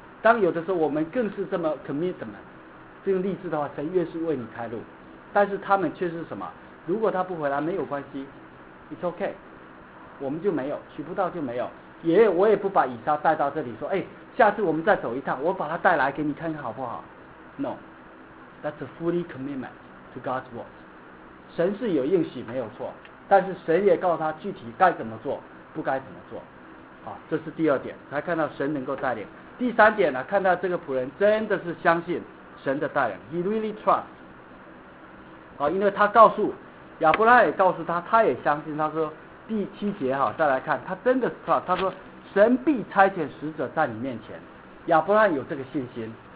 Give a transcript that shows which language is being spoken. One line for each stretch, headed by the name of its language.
Chinese: 当有的时候我们更是这么 commitment， 这个立志的话，神越是为你开路。但是他们却是什么？如果他不回来没有关系，
English: it's ok，
Chinese: 我们就没有，娶不到就没有。也我也不把以撒带到这里说，哎，下次我们再走一趟，我把他带来给你看看好不好？
English: No， that's a fully commitment to God's word。
Chinese: 神是有应许没有错，但是神也告诉他具体该怎么做，不该怎么做。好，这是第二点，才看到神能够带领。第三点呢，看到这个仆人真的是相信神的带领，
English: he really trust。
Chinese: 好，因为他告诉亚伯拉罕，也告诉他，他也相信。他说第七节，好，再来看，他真的是 trust。 他说神必差遣使者在你面前，亚伯拉罕有这个信心。